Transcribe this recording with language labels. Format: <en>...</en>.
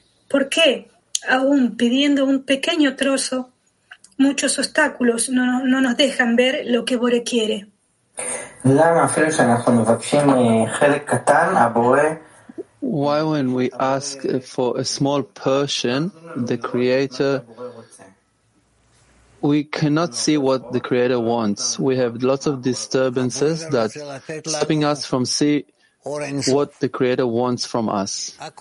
<es>¿Por qué, aún pidiendo un pequeño trozo, muchos obstáculos no nos dejan ver lo que Bore quiere?</es> <he>למה אפילו שאנחנו מבקשים חלק קטן, הבורא...</he> <en>Why when we ask for a small portion, the Creator, we cannot see what the Creator wants. We have lots of disturbances that stopping us from see what the Creator wants from us.</en>